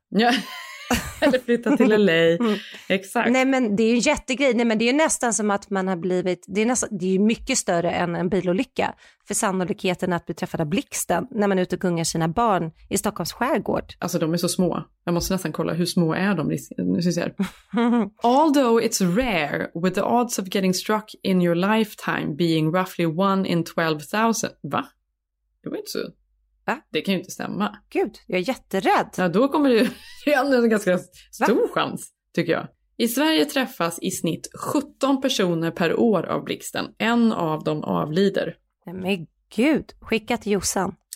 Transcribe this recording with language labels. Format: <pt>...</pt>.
<sv>Ja. Eller flytta till LA. Exakt. Nej, men det är ju en jättegrej. Nej, men det är ju nästan som att man har blivit... Det är ju mycket större än en bilolycka. För sannolikheten att bli träffad av blixten när man är ute och gungar sina barn i Stockholms skärgård. Alltså, de är så små. Jag måste nästan kolla hur små är de. Nu syns jag.</sv> <en>Although it's rare, with the odds of getting struck in your lifetime being roughly 1 in 12,000.</en> <sv>Va? Det var inte så... Va? Det kan ju inte stämma. Gud, jag är jätterädd. Ja, då kommer det ju en ganska stor chans, tycker jag. I Sverige träffas i snitt 17 personer per år av blixten. En av dem avlider. Men gud, skicka till Jossan.</sv>